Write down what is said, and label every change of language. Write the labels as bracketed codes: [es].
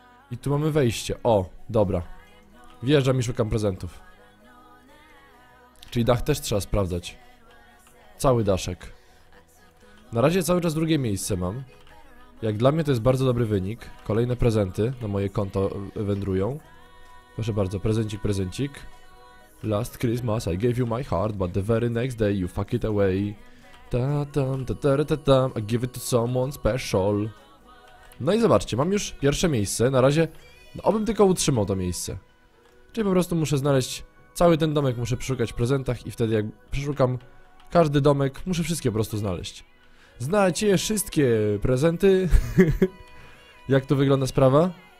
[pl] I tu mamy wejście. O, dobra. Wjeżdżam i szukam prezentów. Czyli dach też trzeba sprawdzać. Cały daszek. Na razie cały czas drugie miejsce mam. Jak dla mnie to jest bardzo dobry wynik. Kolejne prezenty na moje konto wędrują. Proszę bardzo, prezencik, prezencik. [en] Last Christmas I gave you my heart, but the very next day you fuck it away. Ta-tam, ta-tara-ta-tam, I give it to someone special. [pl] No i zobaczcie, mam już pierwsze miejsce. Na razie, no, obym tylko utrzymał to miejsce. Czyli po prostu muszę znaleźć cały ten domek, muszę przeszukać w prezentach. I wtedy jak przeszukam każdy domek, muszę wszystkie po prostu znaleźć. Znacie wszystkie prezenty? Jak to wygląda sprawa?